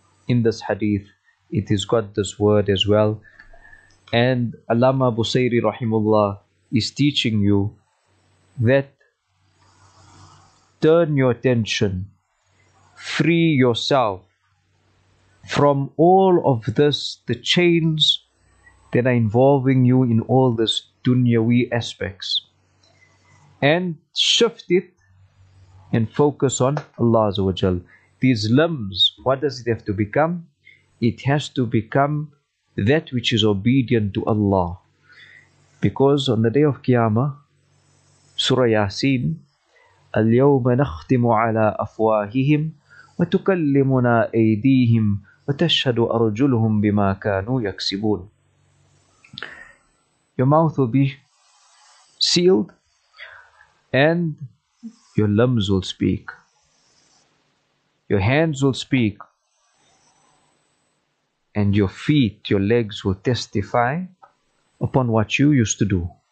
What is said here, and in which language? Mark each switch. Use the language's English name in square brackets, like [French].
[English] In this hadith, it has got this word as well. And Allama Busayri Rahimullah is teaching you that turn your attention, free yourself from all of this, the chains that are involving you in all this dunyawi aspects. And shift it and focus on Allah Azza wa Jal. These limbs, what does it have to become? It has to become that which is obedient to Allah. Because on the day of Qiyamah, Surah Yasin, [Arabic] اليوم نختم على أفواههم وتكلمنا أيديهم وتشهد أرجلهم بما كانوا يكسبون. [English] Your mouth will be sealed and your limbs will speak. Your hands will speak. And your feet, your legs will testify upon what you used to do.